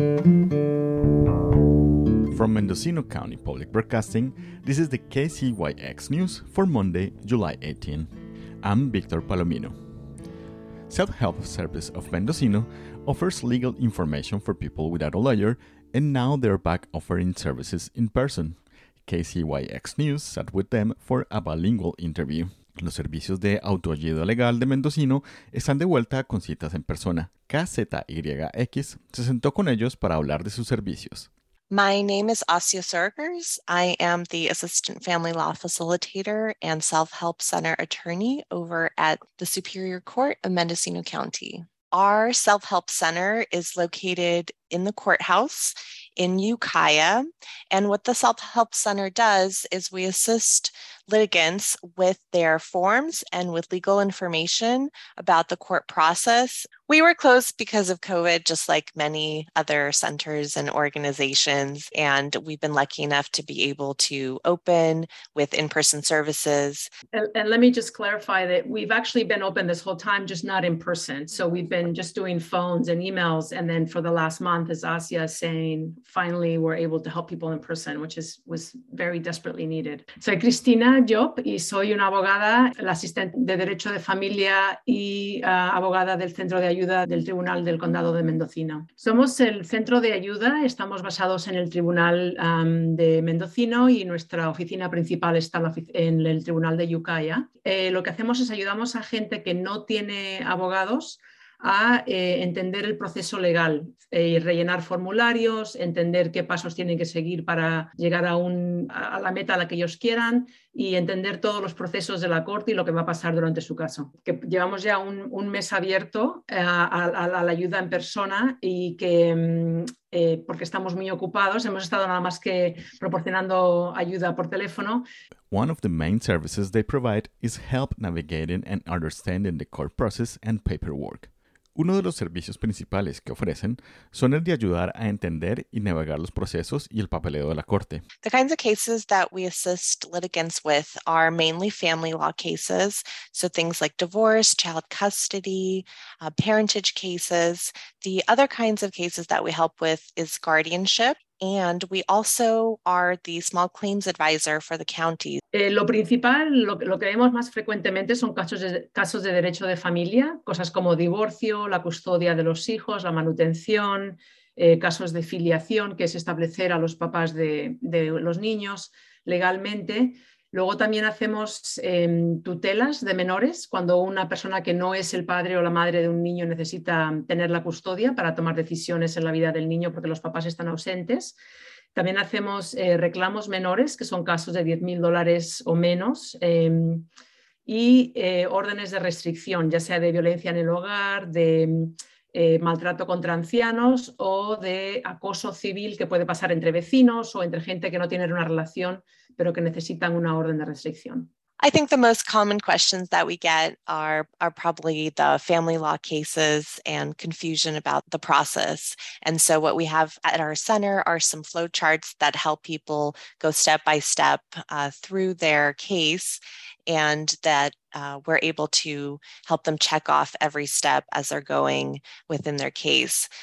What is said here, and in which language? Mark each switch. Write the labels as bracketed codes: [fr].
[en] From Mendocino County Public Broadcasting, this is the KCYX News for Monday, July 18. I'm Victor Palomino. Self-Help Service of Mendocino offers legal information for people without a lawyer, and now they're back offering services in person. KCYX News sat with them for a bilingual interview. [es] Los servicios de autoayuda legal de Mendocino están de vuelta con citas en persona. KZYX se sentó con ellos para hablar de sus servicios. [en] My name is Asya Sargers. I am the Assistant Family Law Facilitator and Self-Help Center Attorney over at the Superior Court of Mendocino County. Our Self-Help Center is located in the courthouse in Ukiah. And what the Self-Help Center does is we assist litigants with their forms and with legal information about the court process. We were closed because of COVID, just like many other centers and organizations. And we've been lucky enough to be able to open with in-person services. And let me just clarify that we've actually been open this whole time, just not in person. So we've been just doing phones and emails. And then for the last month, as Asya is saying, finally, we're able to help people in person, which is was very desperately needed. [es] Soy Cristina Job y soy una abogada, la asistente de Derecho de Familia y abogada del Centro de Ayuda del Tribunal del Condado de Mendocino. Somos el Centro de Ayuda, estamos basados en el Tribunal de Mendocino y nuestra oficina principal está en el Tribunal de Ukiah. Lo que hacemos es ayudamos a gente que no tiene abogados a entender el proceso legal y rellenar formularios, entender qué pasos tienen que seguir para llegar a la meta a la que ellos quieran y entender todos los procesos de la corte y lo que va a pasar durante su caso. Que llevamos ya un mes abierto a la ayuda en persona y que, porque estamos muy ocupados, hemos estado nada más que proporcionando ayuda por teléfono. [en] One of the main services they provide is help navigating and understanding the court process and paperwork. [es] Uno de los servicios principales que ofrecen son el de ayudar a entender y navegar los procesos y el papeleo de la corte. [en] The kinds of cases that we assist litigants with are mainly family law cases, so things like divorce, child custody, parentage cases. The other kinds of cases that we help with is guardianship. And we also are the small claims advisor for the county. [es] Lo principal, lo que vemos más frecuentemente son casos de derecho de familia, cosas como divorcio, la custodia de los hijos, la manutención, casos de filiación, que es establecer a los papás de los niños legalmente. Luego también hacemos tutelas de menores cuando una persona que no es el padre o la madre de un niño necesita tener la custodia para tomar decisiones en la vida del niño porque los papás están ausentes. También hacemos reclamos menores, que son casos de $10,000 o menos, y órdenes de restricción, ya sea de violencia en el hogar, de maltrato contra ancianos o de acoso civil que puede pasar entre vecinos o entre gente que no tiene una relación pero que necesitan una orden de restricción. [en] I think the most common questions that we get are probably the family law cases and confusion about the process. And so what we have at our center are some flow charts that help people go step by step through their case and that we're able to help them check off every step as they're going within their case.